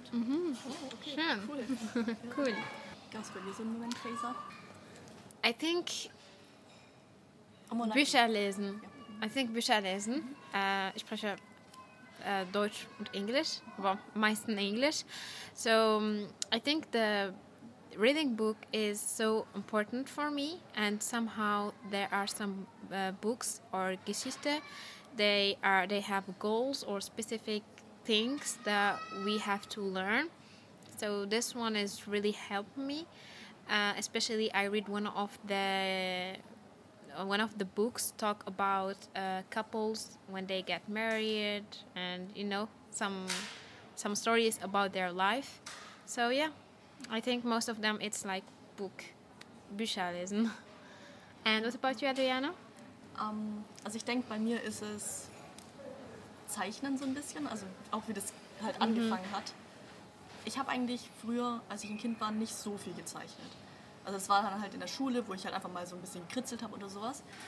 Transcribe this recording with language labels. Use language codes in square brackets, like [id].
[en] Mhm. Oh, okay. [de] Schön. Cool. Gab es bei dir so einen Moment, Faiza? [en] I think [de] Bücher lesen. [en] I think Bücher lesen. [de] Ich spreche Deutsch und Englisch, aber meistens Englisch. [en] So I think the reading book is so important for me and somehow there are some books or Geschichte, they have goals or specific things that we have to learn. So this one is really helped me. Especially, I read one of the books talk about couples when they get married and you know some stories about their life. So yeah, I think most of them it's like Bücherlesen. And what about you, Adriana? [de] Also ich denke, bei mir ist es Zeichnen so ein bisschen, also auch wie das halt angefangen hat. Ich habe eigentlich früher, als ich ein Kind war, nicht so viel gezeichnet. Also es war dann halt in der Schule, wo ich halt einfach mal so ein bisschen gekritzelt habe oder sowas.